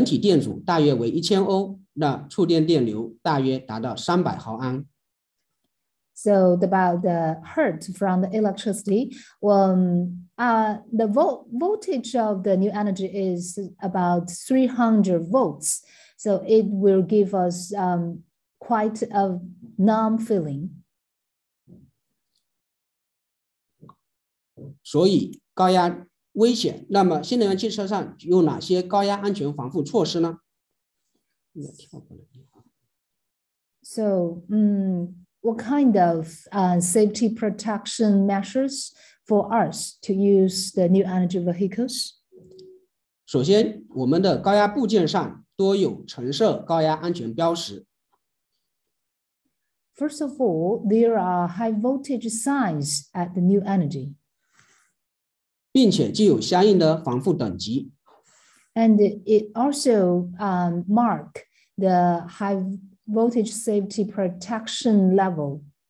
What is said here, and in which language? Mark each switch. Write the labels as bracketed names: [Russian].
[Chinese] 而我们新能源的电压一般为300伏，人体电阻大约为1000欧, 那触电电流大约达到300毫安。 [English] So about the hertz from the electricity, the voltage of the new energy is about 300 volts. So it will give us quite a numb feeling. [Chinese] 所以高压危险，那么新能源汽车上有哪些高压安全防护措施呢？ [English] So, what kind of safety protection measures for us to use the new energy vehicles? [Chinese] 首先，我们的高压部件上 多有橙色高压安全标识。 [English] First of all, there are high voltage signs at the new energy. [Chinese] 并且具有相应的防护等级。 [English] And it also mark the high voltage safety protection level.